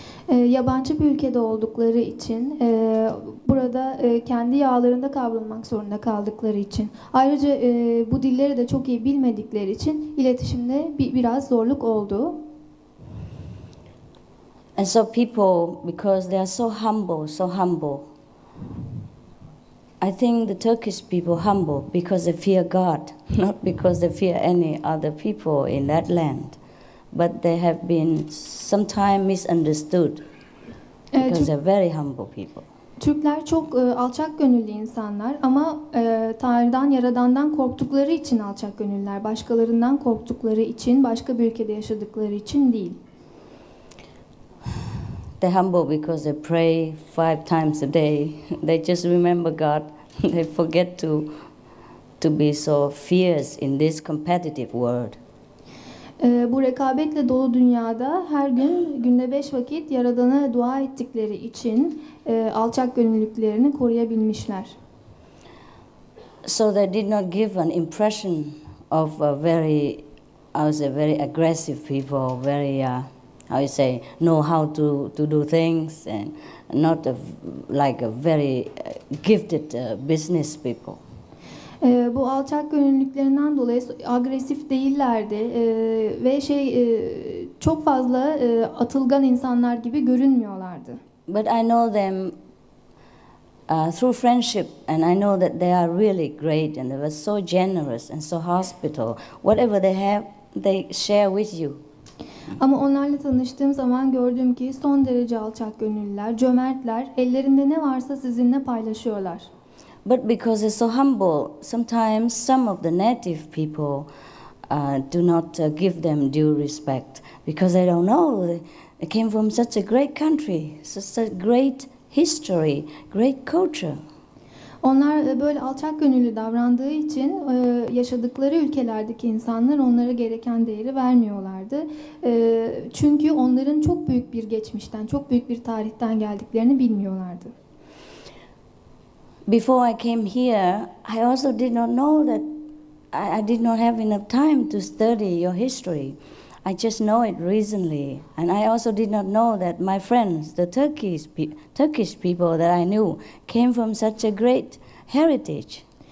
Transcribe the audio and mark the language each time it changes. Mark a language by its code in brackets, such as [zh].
[tr] Yabancı bir ülkede oldukları için, burada kendi yağlarında kavrulmak zorunda kaldıkları için, ayrıca bu dilleri de çok iyi bilmedikleri için iletişimde biraz zorluk oldu. [en] And so people, because they are so humble, I think the Turkish people humble because they fear God, not because they fear any other people in that land, but they have been sometimes misunderstood. Because they're very humble people. [tr] Türkler çok alçak gönüllü insanlar ama Tanrı'dan, Yaradan'dan korktukları için alçak gönüller. Başkalarından korktukları için, başka bir ülkede yaşadıkları için değil. [en] They're humble because they pray five times a day. They just remember God. They forget to be so fierce in this competitive world. [tr] Bu rekabetle dolu dünyada her gün günde 5 vakit Yaradan'a dua ettikleri için alçak gönüllüklerini koruyabilmişler. [en] So they did not give an impression of a very, I would say, very aggressive people, very how you say, know how to do things and not a, like a very gifted business people. [tr] Bu alçak gönüllüklerinden dolayı agresif değillerdi ve şey çok fazla atılgan insanlar gibi görünmüyorlardı. [en] But I know them through friendship and I know that they are really great and they were so generous and so hospitable. Whatever they have, they share with you. [tr] Ama onlarla tanıştığım zaman gördüm ki son derece alçak gönüllüler, cömertler, ellerinde ne varsa sizinle paylaşıyorlar. [en] But because they're so humble, sometimes some of the native people do not give them due respect because they don't know they came from such a great country, such a great history, great culture. [tr] Onlar böyle alçak gönüllü davrandığı için yaşadıkları ülkelerdeki insanlar onlara gereken değeri vermiyorlardı. Çünkü onların çok büyük bir geçmişten, çok büyük bir tarihten geldiklerini bilmiyorlardı. [en] Before I came here, I also did not know that I did not have enough time to study your history. I just know it recently. And I also did not know that my friends, the Turkish people that I knew, came from such a great heritage.